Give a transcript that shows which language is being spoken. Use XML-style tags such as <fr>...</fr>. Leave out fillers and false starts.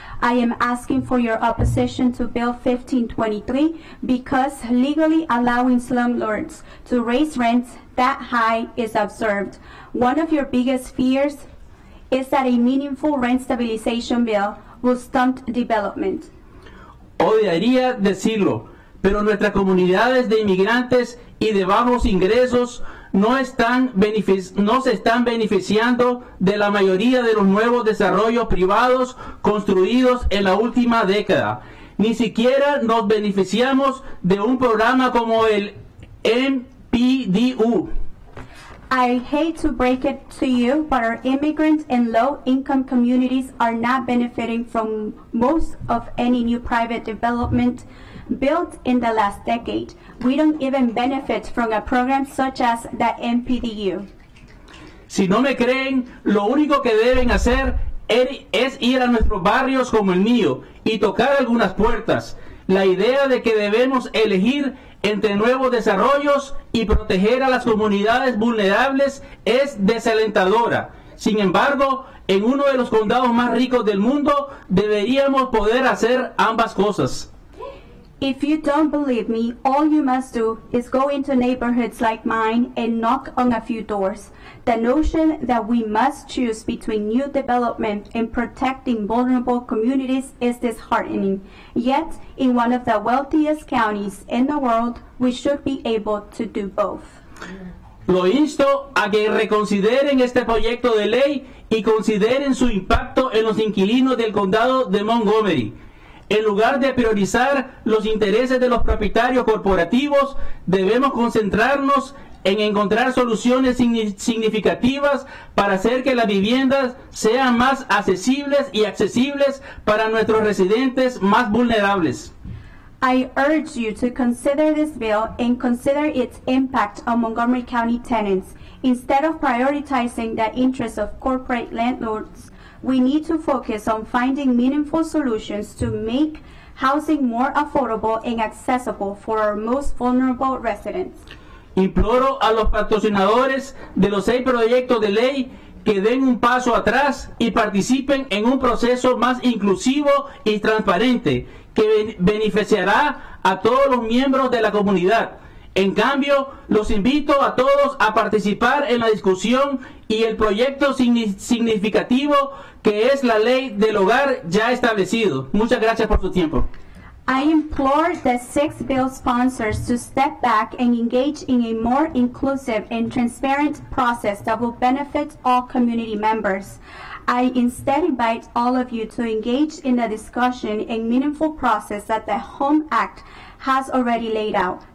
<en>I am asking for your opposition to Bill 1523 because legally allowing slumlords to raise rents that high is absurd. One of your biggest fears is that a meaningful rent stabilization bill will stunt development.</en> <es>Odiaría decirlo, pero nuestras comunidades de inmigrantes y de bajos ingresos no se están beneficiando de la mayoría de los nuevos desarrollos privados construidos en la última década. Ni siquiera nos beneficiamos de un programa como el MPDU.</es> <en>I hate to break it to you, but our immigrant and low-income communities are not benefiting from most of any new private development built in the last decade. We don't even benefit from a program such as the MPDU.</en> <es>Si no me creen, lo único que deben hacer es ir a nuestros barrios como el mío y tocar algunas puertas. La idea de que debemos elegir entre nuevos desarrollos y proteger a las comunidades vulnerables es desalentadora. Sin embargo, en uno de los condados más ricos del mundo, deberíamos poder hacer ambas cosas.</es> <en>If you don't believe me, all you must do is go into neighborhoods like mine and knock on a few doors. The notion that we must choose between new development and protecting vulnerable communities is disheartening. Yet, in one of the wealthiest counties in the world, we should be able to do both.</en> <es>Lo insto a que reconsideren este proyecto de ley y consideren su impacto en los inquilinos del condado de Montgomery. En lugar de priorizar los intereses de los propietarios corporativos, debemos concentrarnos en encontrar soluciones significativas para hacer que las viviendas sean más accesibles y accesibles para nuestros residentes más vulnerables.</es> <en>I urge you to consider this bill and consider its impact on Montgomery County tenants. Instead of prioritizing the interests of corporate landlords, we need to focus on finding meaningful solutions to make housing more affordable and accessible for our most vulnerable residents.</en> <es>Imploro a los patrocinadores de los 6 proyectos de ley que den un paso atrás y participen en un proceso más inclusivo y transparente que beneficiará a todos los miembros de la comunidad. En cambio, los invito a todos a participar en la discusión y el proyecto significativo que es la ley del hogar ya establecido. Muchas gracias por su tiempo.</es> <en>I implore the 6 bill sponsors to step back and engage in a more inclusive and transparent process that will benefit all community members. I instead invite all of you to engage in a discussion and meaningful process that the HOME Act has already laid out.</en>